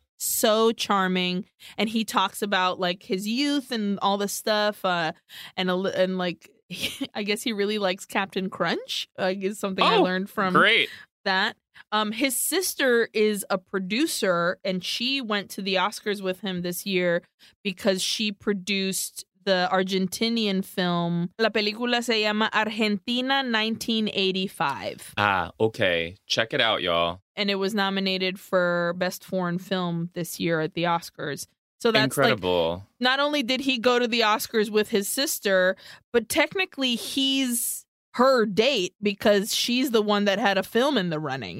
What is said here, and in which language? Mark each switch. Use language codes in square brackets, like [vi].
[en] So charming, and he talks about like his youth and all the stuff, and like I guess he really likes Captain Crunch. Is something I learned from that. His sister is a producer, and she went to the Oscars with him this year because she produced the Argentinian film. [es] La película se llama Argentina 1985. [en] Ah, okay, check it out, y'all. And it was nominated for Best Foreign Film this year at the Oscars. So that's incredible. Like, not only did he go to the Oscars with his sister, but technically he's her date because she's the one that had a film in the running.